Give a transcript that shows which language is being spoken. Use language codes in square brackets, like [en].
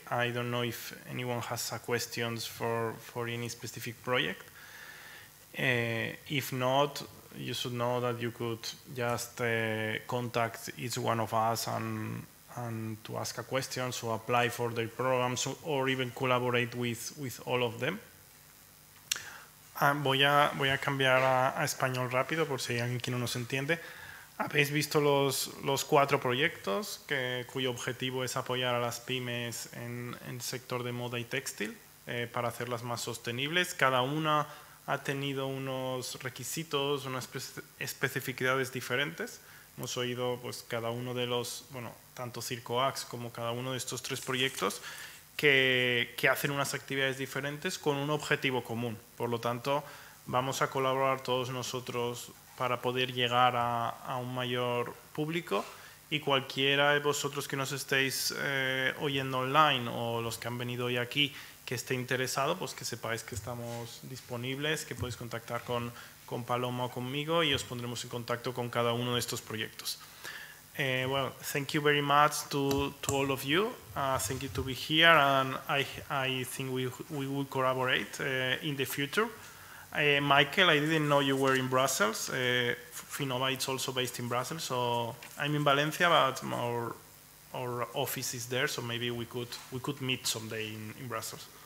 [en] I don't know if anyone has questions for any specific project. If not, you should know that you could just contact each one of us and to ask a question, so apply for their programs or even collaborate with all of them. [es] Voy a cambiar a español rápido por si hay alguien que no nos entiende. ¿Habéis visto los 4 proyectos cuyo objetivo es apoyar a las pymes en el sector de moda y textil para hacerlas más sostenibles? Cada una ha tenido unos requisitos, unas especificidades diferentes. Hemos oído pues cada uno de los, bueno, tanto CircoAx como cada uno de estos 3 proyectos que hacen unas actividades diferentes con un objetivo común. Por lo tanto, vamos a colaborar todos nosotros para poder llegar a un mayor público y cualquiera de vosotros que nos estéis oyendo online o los que han venido hoy aquí que esté interesado, pues que sepáis que estamos disponibles, que podéis contactar con Paloma o conmigo y os pondremos en contacto con cada uno de estos proyectos. [en] Well, thank you very much to all of you. Thank you to be here, and I think we will collaborate in the future. Michael, I didn't know you were in Brussels. Finova is also based in Brussels, so I'm in Valencia, but our office is there, so maybe we could meet someday in Brussels.